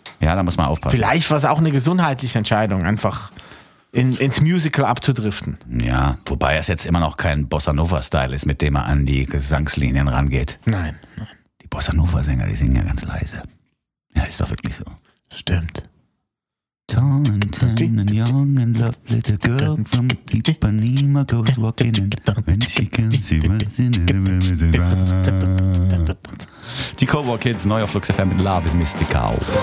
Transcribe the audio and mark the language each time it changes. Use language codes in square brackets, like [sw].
[de] Ja, da muss man aufpassen. Vielleicht war es auch eine gesundheitliche Entscheidung, einfach ins Musical abzudriften. Ja, wobei es jetzt immer noch kein Bossa Nova-Style ist, mit dem er an die Gesangslinien rangeht. Nein. Die Bossa Nova-Sänger, die singen ja ganz leise. Ja, ist doch wirklich so. Stimmt. [en] Tall and thin and young and lovely, the girl from Ipanema goes walking in and she can see what's in the room is around. [de] Die Cold War Kids, neu auf Flux FM mit Love is Mystical.